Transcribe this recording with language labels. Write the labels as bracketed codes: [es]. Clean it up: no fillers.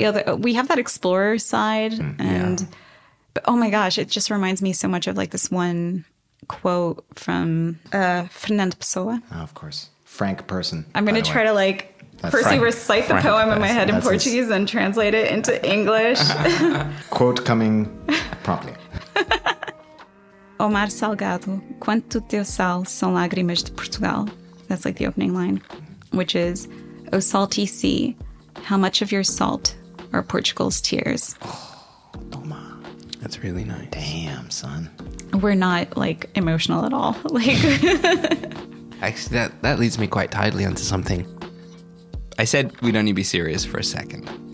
[en] You know, we have that explorer side. But oh my gosh, it just reminds me so much of like this one quote from Fernando Pessoa. Oh, of course. Frank Person. I'm going to try to like recite the poem in my head in Portuguese and translate it into English. Quote coming promptly. [pt] O mar salgado, quanto teu sal são lágrimas de Portugal. [en] That's like the opening line, which is, O salty sea, how much of your salt are Portugal's tears? [pt] Oh, toma. [en] That's really nice. Damn, son. We're not like emotional at all. Like, actually, that leads me quite tightly onto something. I said we'd only be serious for a second.